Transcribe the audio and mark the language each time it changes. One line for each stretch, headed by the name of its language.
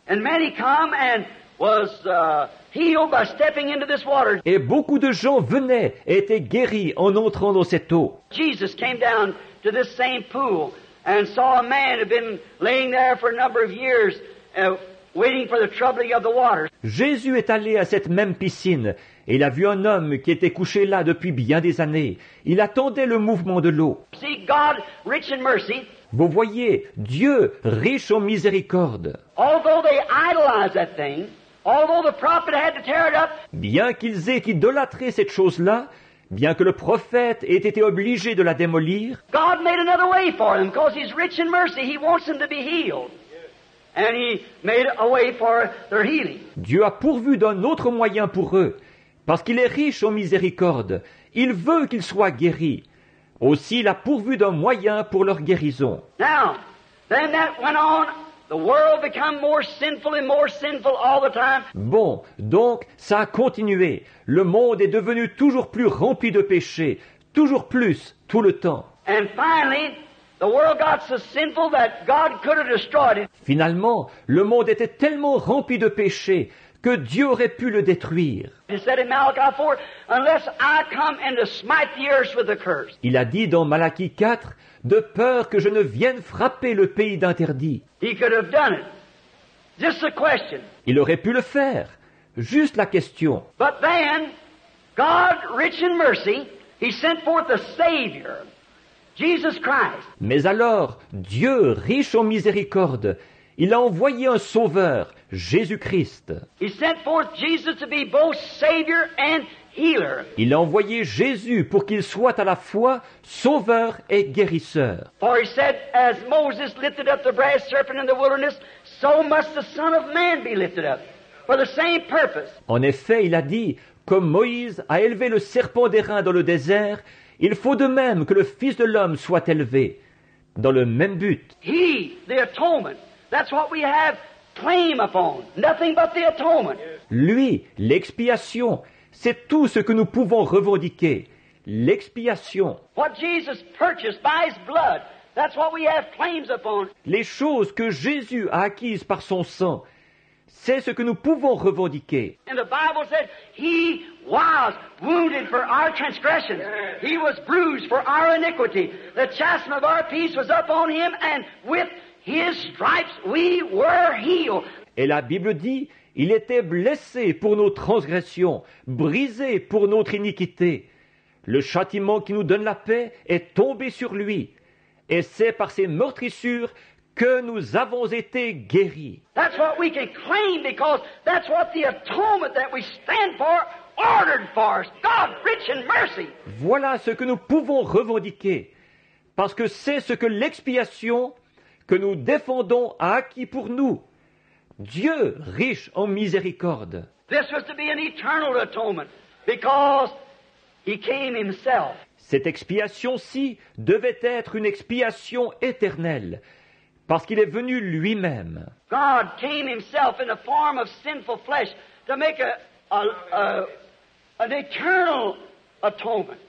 English: And many come and was healed by stepping into this water.
French: Et beaucoup de gens venaient et étaient guéris en entrant dans cette eau.
English: Jesus came down to this same pool and saw a man who had been laying there for a number of years waiting for the troubling of the water.
French: Jésus est allé à cette même piscine. Et il a vu un homme qui était couché là depuis bien des années. Il attendait le mouvement de l'eau.
English: See, God, rich in mercy,
French: vous voyez, Dieu, riche en miséricorde.
English: Although they idolized that thing, although the prophet had to tear it up,
French: bien qu'ils aient idolâtré cette chose-là, bien que le prophète ait été obligé de la démolir,
English: God made another way for them because He's rich in mercy. He wants them to be healed. And He made a way for their healing.
French: Dieu a pourvu d'un autre moyen pour eux. parce qu'il est riche en miséricorde. Il veut qu'ils soient guéris. Aussi, il a pourvu d'un moyen pour leur guérison.
English: Now, then that went on. The world became more sinful and more sinful all the time.
French: Bon, donc, ça a continué. Le monde est devenu toujours plus rempli de péchés, toujours plus, tout le temps.
English: And finally, the world got so sinful that God could have destroyed it.
French: Finalement, le monde était tellement rempli de péchés que Dieu aurait pu le détruire.
English: He said in Malachi 4, unless I come and to smite the earth with a curse.
French: Il a dit dans Malachi 4, de peur que je ne vienne frapper le pays d'interdit.
English: He could have done it. Just a question.
French: Il aurait pu le faire. Juste la question.
English: But then, God, rich in mercy, he sent forth a Savior, Jesus Christ.
French: Mais alors, Dieu, riche en miséricorde, il a envoyé un Sauveur, Jésus-Christ.
English: He sent forth Jesus to be both Savior and Healer.
French: Il a envoyé Jésus pour qu'il soit à la fois Sauveur et Guérisseur.
English: For he said, as Moses lifted up the brass serpent in the wilderness, so must the Son of Man be lifted up, for the same purpose.
French: En effet, il a dit, comme Moïse a élevé le serpent d'airain dans le désert, il faut de même que le Fils de l'homme soit élevé, dans le même but.
English: He, the atonement, that's what we have claim upon, nothing but the atonement.
French: Lui, l'expiation, c'est tout ce que nous pouvons revendiquer, l'expiation.
English: What Jesus purchased by his blood, that's what we have claims upon.
French: Les choses que Jésus a acquises par son sang, c'est ce que nous pouvons revendiquer.
English: And the Bible said, he was wounded for our transgressions. He was bruised for our iniquity. The chastisement of our peace was upon him, and with his stripes we were healed.
French: Et la Bible dit, il était blessé pour nos transgressions, brisé pour notre iniquité. Le châtiment qui nous donne la paix est tombé sur lui. Et c'est par ses meurtrissures que nous avons été guéris.
English: That's what we can claim because that's what the atonement that we stand for ordered for us. God, rich in mercy.
French: Voilà ce que nous pouvons revendiquer. Parce que c'est ce que l'expiation que nous défendons a acquis pour nous. Dieu, riche en miséricorde.
English: This was to be an eternal atonement because he came himself.
French: Cette expiation-ci devait être une expiation éternelle, parce qu'il est venu lui-même.
English: God came himself in the form of sinful flesh to make an eternal atonement.